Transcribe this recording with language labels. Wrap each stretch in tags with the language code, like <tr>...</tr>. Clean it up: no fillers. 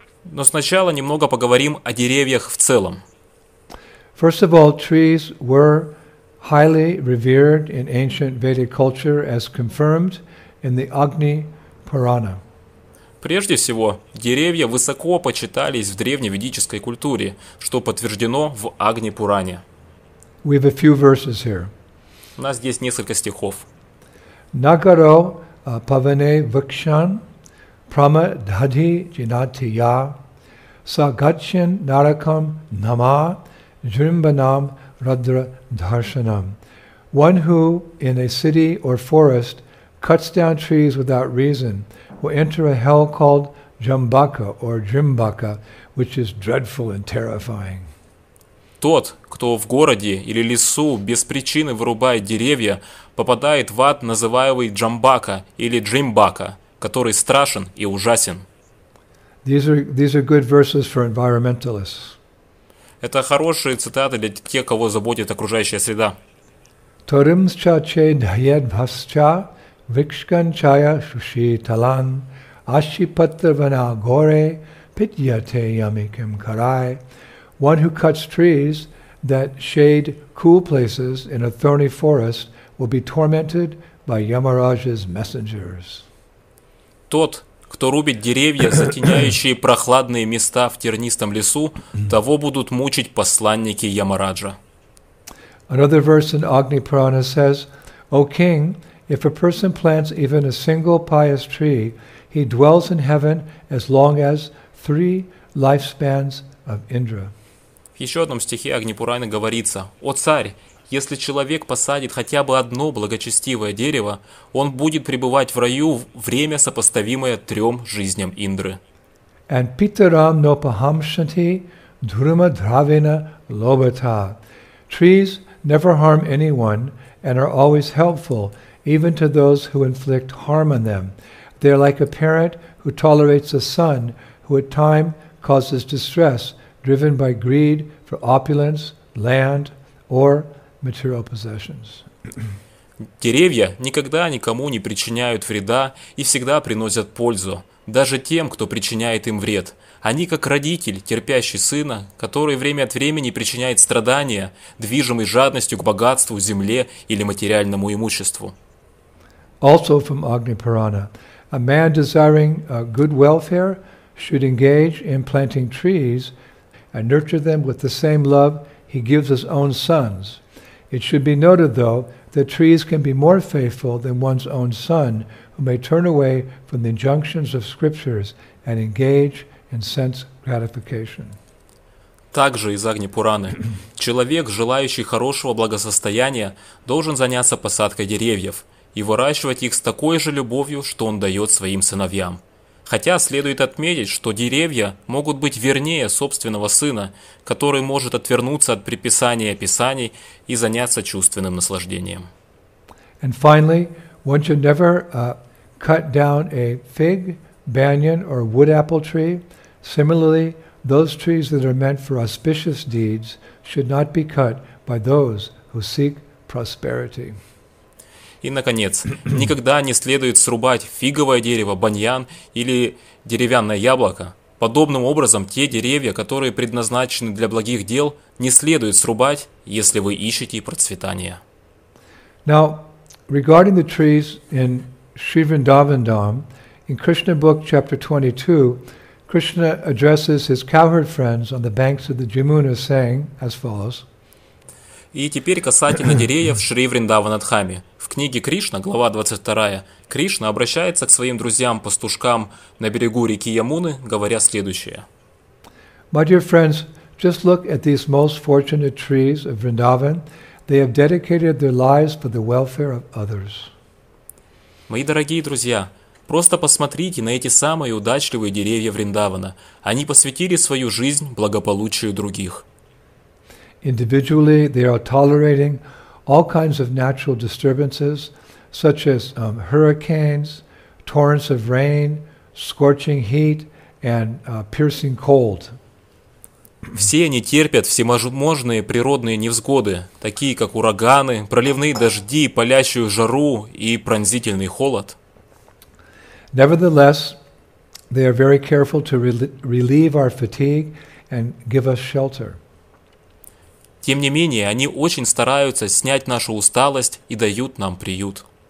<ru>Но сначала немного поговорим о деревьях в целом.</ru> <en>First of all, trees were highly revered in ancient Vedic culture, as confirmed in the Agni Purana.</en> <ru>Прежде всего, деревья высоко почитались в древневедической культуре, что подтверждено в Агни Пуране.</ru> <en>We have a few verses here.</en> <ru>У нас здесь несколько стихов.</ru> <sa>Нагаро Паване Викшан, Прама Дхади Джинатия, Сагачин Наракам Нама, Джримбанам Радра Дхаршанам.</sa> <en>One who, in a city or forest, cuts down trees without reason, will enter a hell called Jambaka or Jrimbaka, which is dreadful and terrifying.</en> <ru>Тот, кто в городе или лесу без причины вырубает деревья, попадает в ад, называемый Джамбака или Джримбака, который страшен и ужасен.</ru> <en>These are good verses for environmentalists.</en> <ru>Это хорошие цитаты для тех, кого заботит окружающая среда.</ru> <sa>Торимсча че дхайед басча викшкан чая шуши талан ашипатрвана горе питьяте ямикем карай.</sa> <en>One who cuts trees that shade cool places in a thorny forest will be tormented by Yamaraj's messengers.</en> <ru>Тот, кто рубит деревья, затеняющие прохладные места в тернистом лесу, того будут мучить посланники Ямараджа.</ru> <en>Another verse in Agni Purana says, O king, if a person plants even a single pious tree, he dwells in heaven as long as three lifespans of Indra.</en> <ru>В еще одном стихе Агни Пурана говорится: «О царь, если человек посадит хотя бы одно благочестивое дерево, он будет пребывать в раю в время, сопоставимое трем жизням Индры».</ru> <en>And</en> <sa>Pitaram no pahamshanti dhurma dravina lobata.</sa> <en>Trees never harm anyone and are always helpful, even to those who inflict harm on them. They are like a parent who tolerates a son who at time causes distress, driven by greed for opulence, land, or material possessions.</en> <ru>Деревья никогда никому не причиняют вреда и всегда приносят пользу, даже тем, кто причиняет им вред. Они как родитель, терпящий сына, который время от времени причиняет страдания, движимый жадностью к богатству, земле или материальному имуществу.</ru> <en>also from Agni Purana. A man desiring good welfare should engage in planting trees and nurture them with the same love he gives his own sons. It should be noted, though, that trees can be more faithful than one's own son, who may turn away from the injunctions of scriptures and engage in sense gratification.</en> <ru>Также из Агни Пураны. Человек, желающий хорошего благосостояния, должен заняться посадкой деревьев и выращивать их с такой же любовью, что он дает своим сыновьям. Хотя следует отметить, что деревья могут быть вернее собственного сына, который может отвернуться от приписания писаний и заняться чувственным наслаждением.</ru> <en>And finally, one should never cut down a fig, banyan, or wood apple tree. Similarly, those trees that are meant for auspicious deeds should not be cut by those who seek prosperity.</en> <ru>И, наконец, никогда не следует срубать фиговое дерево, баньян или деревянное яблоко. Подобным образом, те деревья, которые предназначены для благих дел, не следует срубать, если вы ищете процветания.</ru> <en>Now, regarding the trees in Sri Vrindavan Dham, in Krishna book chapter 22, Krishna addresses his cowherd friends on the banks of the Jamuna, saying as follows.</en> <ru>И теперь касательно деревьев Шри Вриндаванадхаме. В книге Кришна, глава 22, Кришна обращается к своим друзьям-пастушкам на берегу реки Ямуны, говоря следующее.</ru> <en>My dear friends, just look at these most fortunate trees of Vrindavan. They have dedicated their lives for the welfare of others.</en> <ru>Мои дорогие друзья, просто посмотрите на эти самые удачливые деревья Вриндавана. Они посвятили свою жизнь благополучию других.</ru> <en>Individually, they are tolerating all kinds of natural disturbances, such as hurricanes, torrents of rain, scorching heat, and piercing cold.</en> <ru>Все они терпят всевозможные природные невзгоды, такие как ураганы, проливные дожди, палящую жару и пронзительный холод.</ru> <en>Nevertheless, they are very careful to relieve our fatigue and give us shelter.</en> <ru>Тем не менее, они очень стараются снять нашу усталость и дают нам приют.</ru>